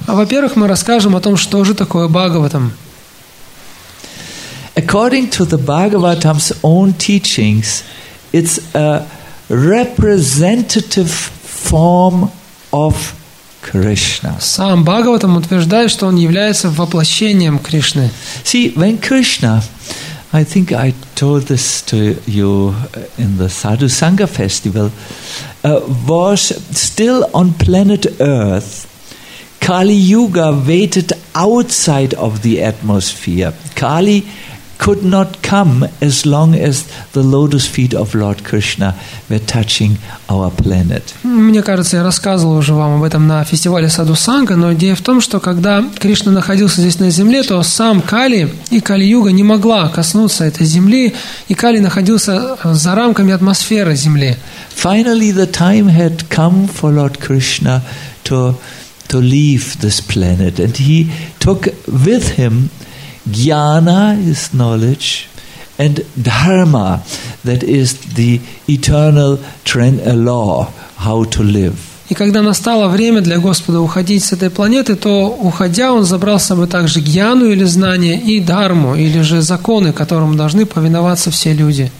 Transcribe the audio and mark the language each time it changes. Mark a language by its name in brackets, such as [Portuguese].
[Russian] Во-первых, мы расскажем о том, что же такое Бхагаватам. [English] According to the Bhagavatam's own teachings, it's a representative form of Krishna. [Russian] Сам Бхагаватам утверждает, что он является воплощением Кришны. [English] See, when Krishna, I think I told this to you in the Sadhu Sangha festival, was still on planet Earth, Kali Yuga waited outside of the atmosphere. Kali could not come as long as the lotus feet of Lord Krishna were touching our planet. [Russian] Мне кажется, я рассказывал уже вам об этом на фестивале Саду Санга, но идея в том, что когда Кришна находился здесь на земле, то сам Кали и Кали-Юга не могла коснуться этой земли, и Кали находился за рамками атмосферы земли. [English] Finally, the time had come for Lord Krishna to leave this planet, and he took with him Jnana is knowledge, and Dharma, that is the eternal trend, a law, how to live. [Russian] И когда настало время для Господа уходить с этой планеты, то уходя, он забрал с собой также Jnana или знание и Dharma или же законы, которым должны повиноваться все люди.